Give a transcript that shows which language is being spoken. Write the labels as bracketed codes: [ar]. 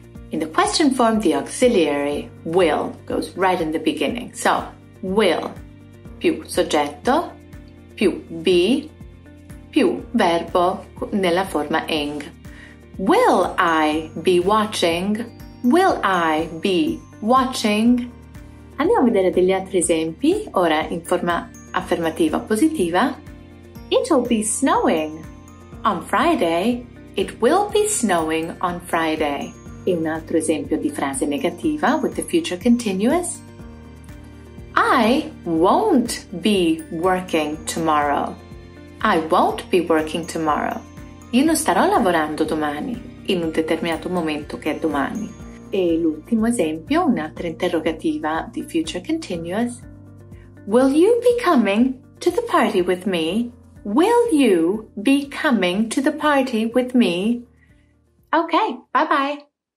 [en] In the question form, the auxiliary will goes right in the beginning. [it] So, will più soggetto più be, più verbo nella forma ing. [en] Will I be watching? Will I be watching? [it] Andiamo a vedere degli altri esempi, ora in forma affermativa o positiva. [en] It'll be snowing on Friday. It will be snowing on Friday. [it] E un altro esempio di frase negativa [en] with the future continuous. I won't be working tomorrow. I won't be working tomorrow. [it] Io non starò lavorando domani, in un determinato momento che è domani. E l'ultimo esempio, un'altra interrogativa di future continuous. [en] Will you be coming to the party with me? Will you be coming to the party with me? Okay, bye bye.